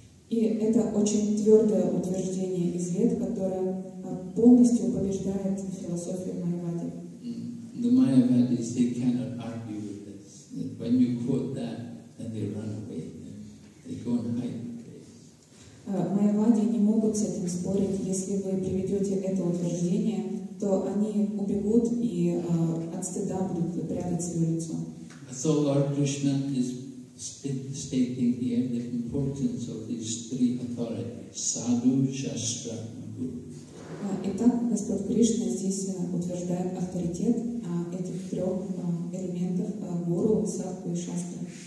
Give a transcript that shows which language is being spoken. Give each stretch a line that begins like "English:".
Russian: И это очень твердое утверждение из Вед, которое полностью побеждает философию Майявади.
English: The Mayavadis, they cannot argue with this. When you quote that, then they run away. They go and hide.
Russian: Майявади не могут с этим спорить, если вы приведете это утверждение. То они убегут и от стыда будут прятать свое лицо.
English: So Lord Krishna is stating here the importance of these three authorities: Sadhu, Shastra, Guru.
Russian: Итак, Господь Кришна здесь утверждает авторитет этих трех элементов: Гуру, Садху и Шастра.